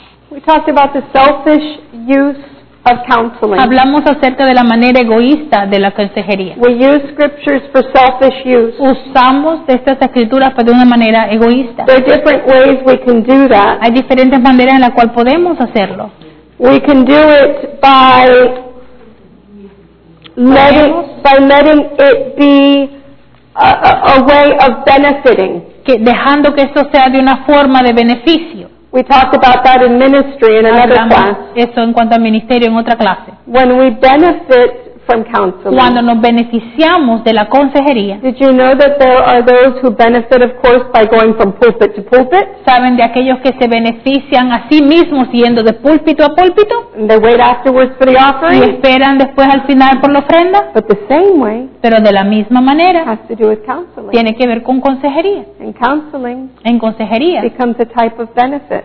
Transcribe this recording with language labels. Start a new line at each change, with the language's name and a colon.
English: We talked about the selfish use of counseling.
Spanish: Hablamos acerca de la manera egoísta de la consejería.
English: We use scriptures for selfish use.
Spanish: Usamos estas escrituras para una manera egoísta.
English: There are different ways we can do that.
Spanish: Hay diferentes maneras en la cual podemos hacerlo.
English: We can do it by letting it be a way of benefiting.
Spanish: Que dejando que esto sea de una forma de beneficio.
English: We talked about that in ministry in another class.
Spanish: Eso en cuanto al ministerio en otra clase.
English: When we benefit from counseling.
Spanish: Cuando nos beneficiamos de la consejería.
English: Did you know that there are those who benefit, of course, by going from pulpit to pulpit?
Spanish: ¿Saben de aquellos que se benefician a sí mismos yendo de púlpito a púlpito?
English: And they wait afterwards for the offering.
Spanish: ¿Y esperan después al final por la ofrenda?
English: But the same way.
Spanish: Pero de la misma manera.
English: Has to do with counseling.
Spanish: Tiene que ver con consejería.
English: And counseling.
Spanish: En consejería.
English: Becomes a type of benefit.